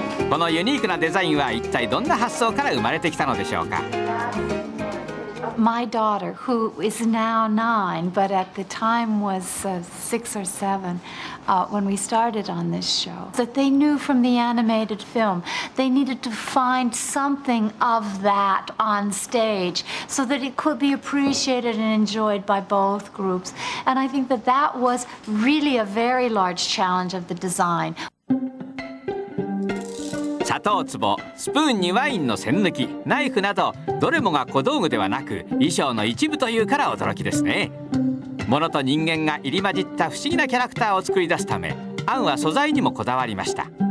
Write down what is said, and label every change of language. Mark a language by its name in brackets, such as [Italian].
[Japanese] このユニークなデザインは一体どんな発想から生まれてきたのでしょうか。 [English] My daughter, who is now 9, but at the time was 6 or 7, when we started on this show, that they knew from the animated film, they needed to find something of that on stage so that it could be appreciated and enjoyed by both groups. And I think that that was really a very large challenge of the design. [Japanese] 砂糖壺、スプーンにワインの栓抜き、ナイフなど、どれもが小道具ではなく衣装の一部というから驚きですね。物と人間が入り混じった不思議なキャラクターを作り出すため、アンは素材にもこだわりました。